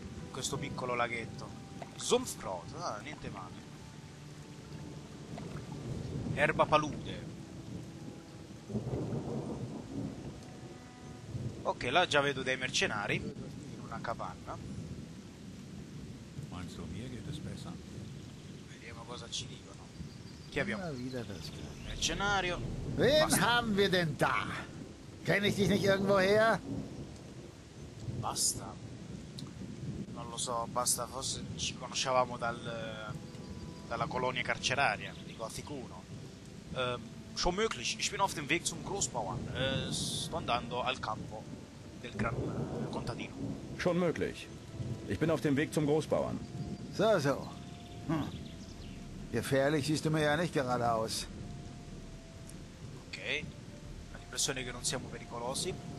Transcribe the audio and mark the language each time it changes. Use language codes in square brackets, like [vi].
[it] Questo piccolo laghetto. Zumfrot, niente male. Erba palude. Ok, là già vedo dei mercenari. Una capanna. [de] Meinst du mir geht es besser? [it] Vediamo cosa ci dicono. Chi abbiamo? Mercenario. [de] Wen haben wir denn da? Kenne ich dich nicht irgendwo her? [it] Basta. Non lo so, basta, forse ci conoscevamo dalla colonia carceraria, dico a Ficuno. [de] Schon möglich. Ich bin auf dem Weg zum Großbauern. [it] Sto andando al campo del gran contadino. [de] Schon möglich. Ich bin auf dem Weg zum Großbauern. So, so. Hm. Gefährlich siehst du mir ja nicht gerade aus. Okay. [it] Ha l'impressione che non siamo pericolosi.